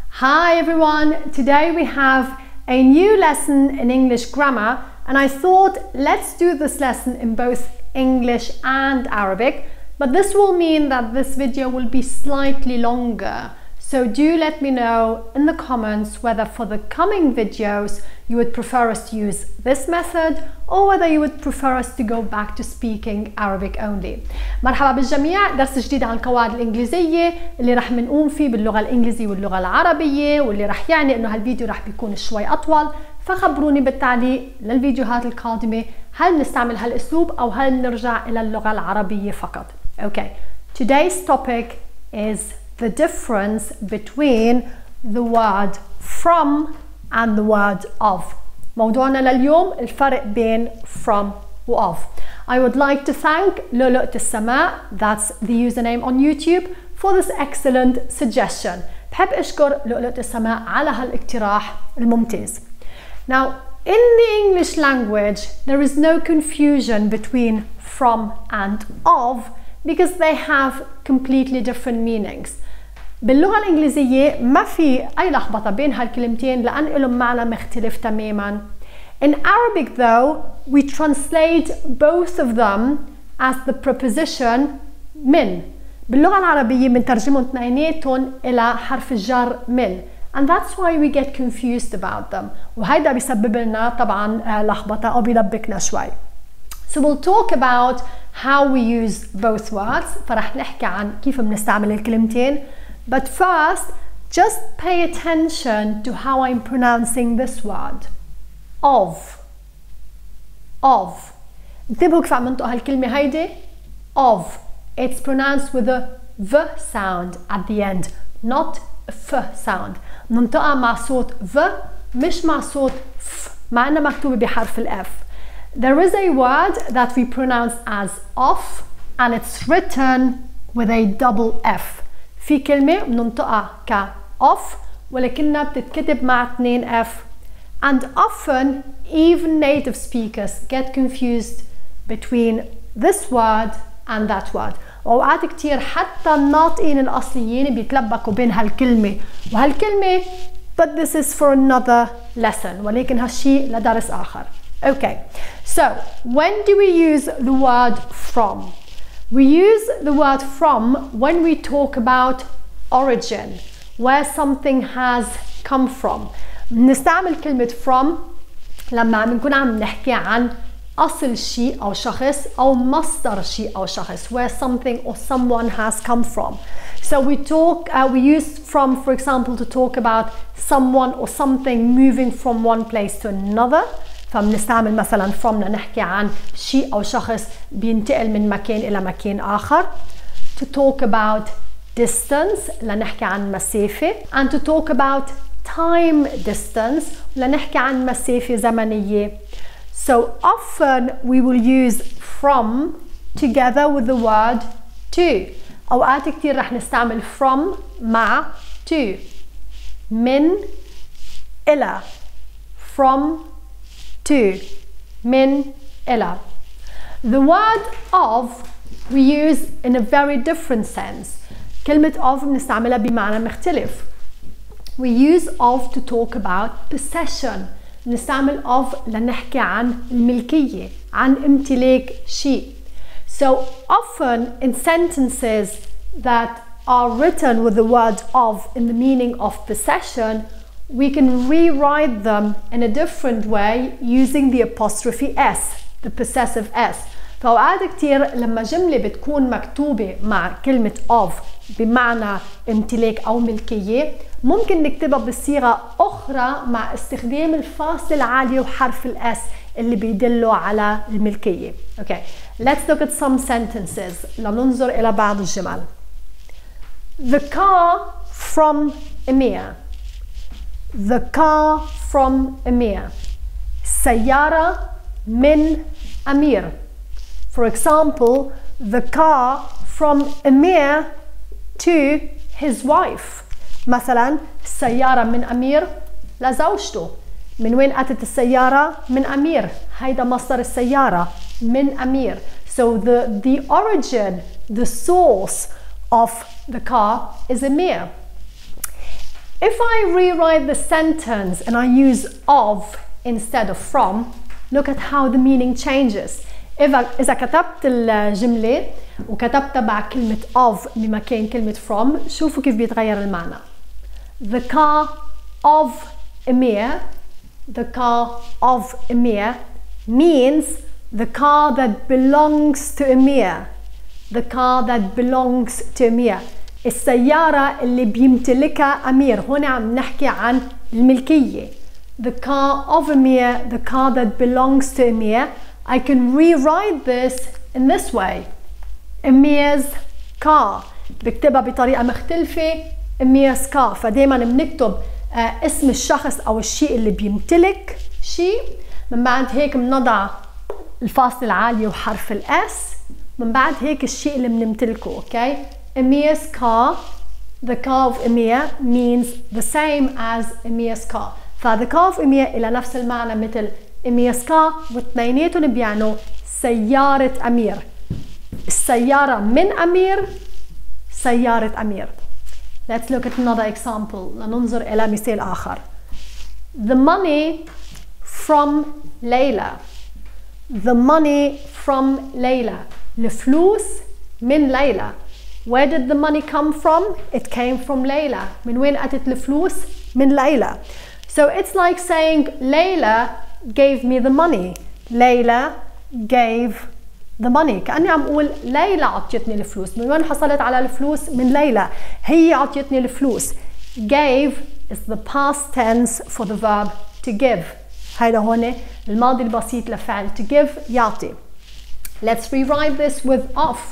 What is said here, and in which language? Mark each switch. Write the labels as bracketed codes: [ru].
[en] Hi everyone, today we have a new lesson in English grammar and I thought let's do this lesson in both English and Arabic, but this will mean that this video will be slightly longer. So do let me know in the comments whether for the coming videos you would prefer us to use this method or whether you would prefer us to go back to speaking Arabic only. [ar] مرحبا بالجميع، درس جديد عن القواعد الإنجليزية اللي رح منقوم فيه باللغة الإنجليزية واللغة العربية واللي رح يعني إنه هالفيديو رح بيكون شوي أطول، فخبروني بالتعليق للفيديوهات القادمة هل نستعمل هالأسلوب أو هل نرجع إلى اللغة العربية فقط. [en] Okay, today's topic is the difference between the word from and the word of. [ar] موضوعنا لليوم الفرق بين from و of. [en] I would like to thank لؤلؤة السماء, that's the username on YouTube, for this excellent suggestion. [ar] بحب اشكر لؤلؤة السماء على هالاقتراح الممتاز. [en] Now, in the English language, there is no confusion between from and of because they have completely different meanings. [ar] باللغة الإنجليزية ما في أي لخبطة بين هالكلمتين لأن لهم معنى مختلف تماماً. [en] In Arabic though, we translate both of them as the preposition من. [ar] باللغة العربية منترجمهم اثنيناتهم إلى حرف الجر من. [en] And that's why we get confused about them. [ar] وهيدا بيسبب لنا طبعاً لخبطة أو بيلبكنا شوي. [en] So we'll talk about how we use both words. [ar] فرح نحكي عن كيف بنستعمل الكلمتين. [en] But first, just pay attention to how I'm pronouncing this word. Of. Of. [ar] انتبهوا كيف عم ننطق هالكلمة هيدي. [en] Of. It's pronounced with a V sound at the end, not a F sound. [ar] ننطقها مع صوت V, مش مع صوت F, مع انها مكتوبة بحرف الF. [en] There is a word that we pronounce as of, and it's written with a double F. [ar] في كلمة بننطقها ك of ولكنها بتتكتب مع 2F. [en] And often even native speakers get confused between this word and that word. [ar] وأوقات كتير حتى الناطقين الأصليين بيتلبكوا بين هالكلمة وهالكلمة. [en] But this is for another lesson. [ar] ولكن هالشيء لدرس آخر. [en] Okay. So when do we use the word from? We use the word from when we talk about origin, where something has come from. [ar] نستعمل كلمة from لما بنكون عم نحكي عن أصل شيء أو شخص أو مصدر شيء أو شخص, [en] where something or someone has come from. So we use from, for example, to talk about someone or something moving from one place to another. [ar] فمنستعمل مثلا from لنحكي عن شيء أو شخص بينتقل من مكان إلى مكان آخر. [en] To talk about distance [ar] لنحكي عن مسافة. [en] And to talk about time distance [ar] لنحكي عن مسافة زمنية. [en] So often we will use from together with the word to. [ar] أوقات كتير رح نستعمل from مع to. من إلى. [en] From to, [ar] من, إلى. [en] The word of we use in a very different sense. [ar] كلمة of بنستعملها بمعنى مختلف. [en] We use of to talk about possession. [ar] نستعمل of لنحكي عن الملكية, عن امتلاك شيء. [en] So often in sentences that are written with the word of in the meaning of possession, we can rewrite them in a different way using the apostrophe S, the possessive S. [ar] فأوقات كتير لما جملة بتكون مكتوبة مع كلمة of بمعنى امتلاك أو ملكية, ممكن نكتبها بصيغة أخرى مع استخدام الفاصلة العالية وحرف الS اللي بيدلوا على الملكية. [en] Okay, let's look at some sentences. [ar] لننظر إلى بعض الجمل. [en] The car from Amir. The car from Amir. [ar] السيارة من أمير. [en] For example, the car from Amir to his wife. [ar] مثلا السيارة من أمير لزوجته. من وين أتت السيارة؟ من أمير. هيدا مصدر السيارة, من أمير. [en] So the origin, the source of the car is Amir. If I rewrite the sentence and I use of instead of from, look at how the meaning changes. [ar] إذا كتبت الجملة وكتبت تبع كلمة of بمكان كلمة from, شوفوا كيف بيتغير المعنى. [en] The car of Emir, the car of Emir means the car that belongs to Emir. The car that belongs to Emir. [ar] السيارة اللي بيمتلكها أمير. هنا عم نحكي عن الملكية. [en] The car of Emir, the car that belongs to Emir. I can rewrite this in this way. Emir's car. [ar] بكتبها بطريقة مختلفة. [en] Emir's car. [ar] فدائما بنكتب اسم الشخص أو الشيء اللي بيمتلك شيء. من بعد هيك بنضع الفاصلة العالية وحرف الاس. من بعد هيك الشيء اللي بنمتلكه. [en] Okay. Emir's car. The car of Emir means the same as Emir's car. [ar] فذا [en] car of Emir [ar] إلى نفس المعنى مثل [en] Emir's car. [ar] واثنيناتهم بيعنوا سيارة أمير. السيارة من أمير. سيارة أمير. [en] Let's look at another example. [ar] لننظر إلى مثال آخر. [en] The money from Layla. The money from Layla. [ar] الفلوس من ليلى. [en] Where did the money come from? It came from Layla. [ar] من وين أتت الفلوس؟ من ليلى. [en] So it's like saying Layla gave me the money. Layla gave the money. [ar] كأني عم أقول ليلى عطيتني الفلوس. من وين حصلت على الفلوس؟ من ليلى. هي عطيتني الفلوس. [en] Gave is the past tense for the verb to give. [ar] هيدا هون الماضي البسيط لفعل to give يعطي. [en] Let's rewrite this with of.